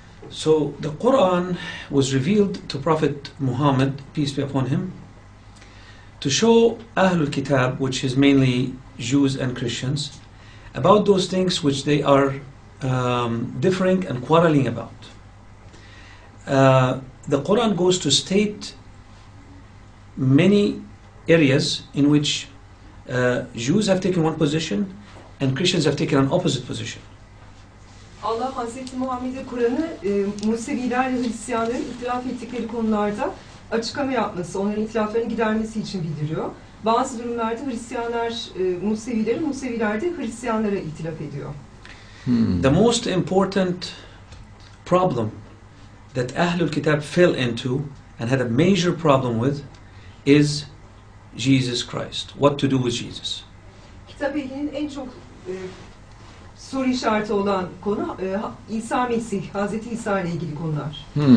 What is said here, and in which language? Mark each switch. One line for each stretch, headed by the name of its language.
English: So the Quran was revealed to Prophet Muhammad, peace be upon him, to show Ahlul Kitab, which is mainly Jews and Christians, about those things which they are differing and quarreling about. The Quran goes to state many areas in which Jews have taken one position and Christians have taken an opposite position.
Turkish: Allah Hazreti Muhammed'e Kur'an'ı Musevilerle Hristiyanların itiraf ettikleri konularda açıklama yapması, onların itiraflarını gidermesi için bildiriyor. Bazı durumlarda Hristiyanlar Musevileri, Museviler de Hristiyanlara itiraf ediyor.
English: The most important problem that Ahlul Kitab fell into and had a major problem with is Jesus Christ. What to do with Jesus?
Turkish: Kitap ehlinin en çok soru işareti olan konu İsa Mesih, Hazreti İsa ile ilgili konular.